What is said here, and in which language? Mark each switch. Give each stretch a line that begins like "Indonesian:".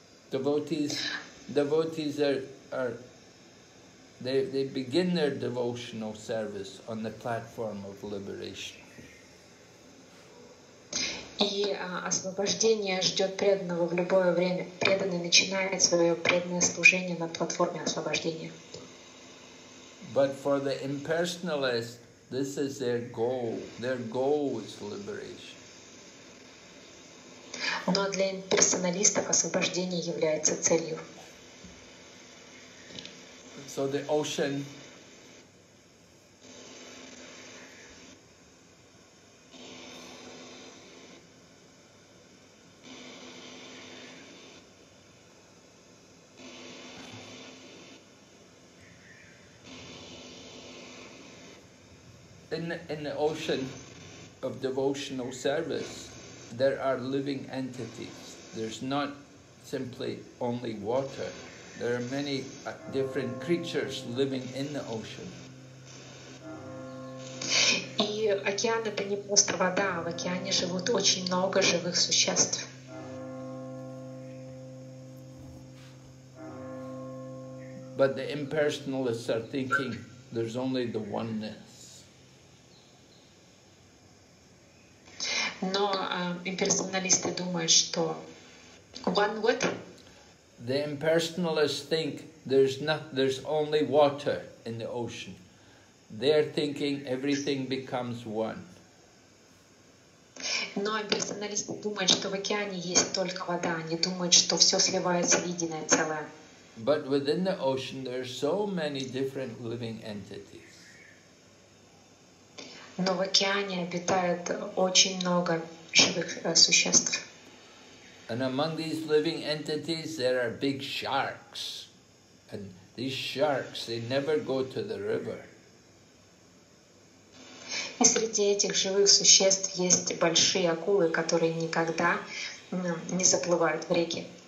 English: Devotees begin their devotional service on the platform of liberation.
Russian: И освобождение ждет преданного в любое время. Преданный начинает свое преданное служение на платформе освобождения.
English: But for the impersonalist, this is their goal. Their goal is liberation.
Russian: Но для персоналистов освобождение является целью.
English: So the ocean. In the ocean of devotional service, there are living entities. There's not simply only water. There are many different creatures living in the ocean.
Russian: И океан это не просто вода, в океане живут очень много живых существ.
English: But the impersonalists are thinking there's only the oneness.
Russian: Но имперсоналисты думают, что
English: one what? The impersonalists think there's only water in the ocean. They're thinking everything becomes one.
Russian: Но имперсоналисты думают, что в океане есть только вода. Они думают, что все сливается в единое целое.
English: But within the ocean there are so many different living entities.
Russian: Но в океане обитает очень много живых существ.
English: And among these living entities, there are big sharks. And these sharks, they never go to the river.
Russian: И среди этих живых существ есть большие акулы, которые никогда не заплывают в реки.